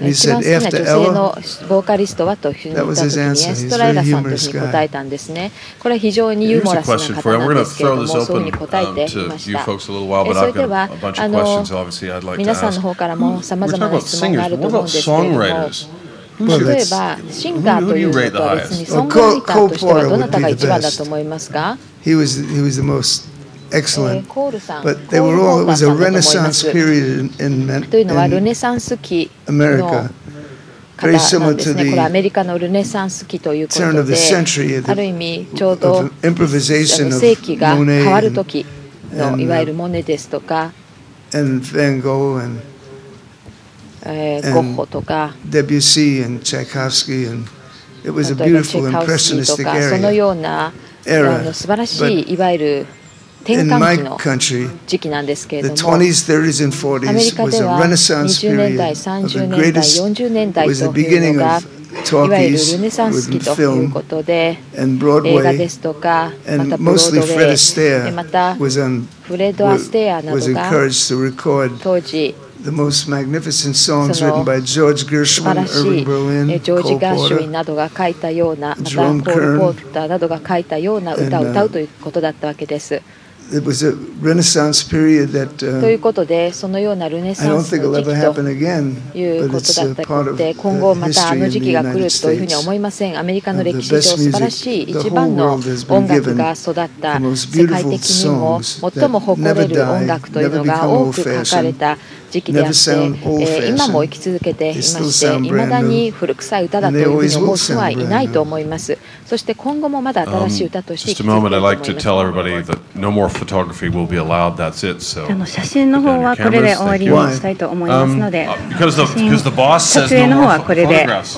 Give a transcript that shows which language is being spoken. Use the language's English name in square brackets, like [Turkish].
[English] And he said, after Ella, that was his answer. He's very humorous guy. Here's a question for you. We're going to throw this open to you folks a little while, but I've got a bunch of questions, obviously, I'd like to ask. We're talking about singers, but what about songwriters? [Japanese] Well, 例えばシンガーというと別にソングリーダーとしてはどなたが一番だと思いますか？ [English] He was the most excellent. [Japanese] コールさん。 [English] But they were all, it was a renaissance period in America. [Japanese] というのはルネサンス期の方なんですね。これアメリカのルネサンス期ということで、ある意味ちょうど世紀が変わる時のいわゆるモネですとか、 [English] and Van Gogh and [Japanese] ゴッホとか、 [English] デビュッシー and Tchaikovsky and it was a beautiful impressionistic era. [Japanese] そのような素晴らしいいわゆる転換期の時期なんですけれども、アメリカでは20年代、30年代、40年代というのがいわゆるルネサンス期ということで、映画ですとか、またブロードウェイ、またフレッド・アステアなどが当時 [English] The most magnificent songs written by George Gershwin, Irving Berlin, [Japanese] George Gershwin などが書いたような、 [English] Jerome Kern, [Japanese] ポール・ポーターなどが書いたような歌を歌うということだったわけです。 [English] It was a Renaissance period that. [Japanese] ということで、そのようなルネサンスの時期ということだったので、今後またあの時期が来るというふうには思いません。アメリカの歴史上素晴らしい一番の音楽が育った世界的にも最も誇れる音楽というのが多く書かれた時期であって、今も生き続けていまして、いまだに古臭い歌だというふうに思う人はいないと思います。そして今後もまだ新しい歌として生き続けると思います。 [English] Photography will be allowed. That's it. So, because the boss says no more photographs.